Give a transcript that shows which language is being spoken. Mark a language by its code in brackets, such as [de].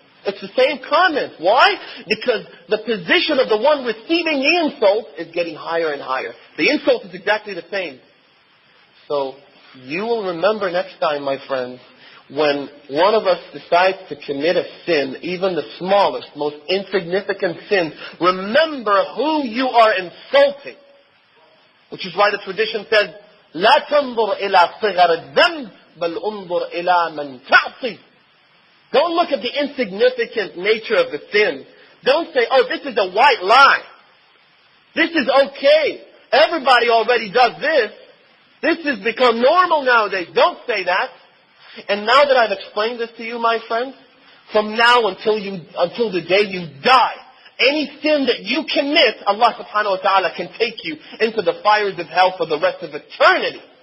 [en] It's the same comment. Why? Because the position of the one receiving the insult is getting higher and higher. The insult is exactly the same. So you will remember next time, my friends, when one of us decides to commit a sin, even the smallest, most insignificant sin, remember who you are insulting. Which is why the tradition says, [ar] لا تنظر إلى صغر الذنب بل انظر إلى من تعصي. [en] Don't look at the insignificant nature of the sin. Don't say, oh, this is a white lie. This is okay. Everybody already does this. This has become normal nowadays. Don't say that. And now that I've explained this to you, my friends, from now until the day you die, any sin that you commit, Allah subhanahu wa ta'ala can take you into the fires of hell for the rest of eternity.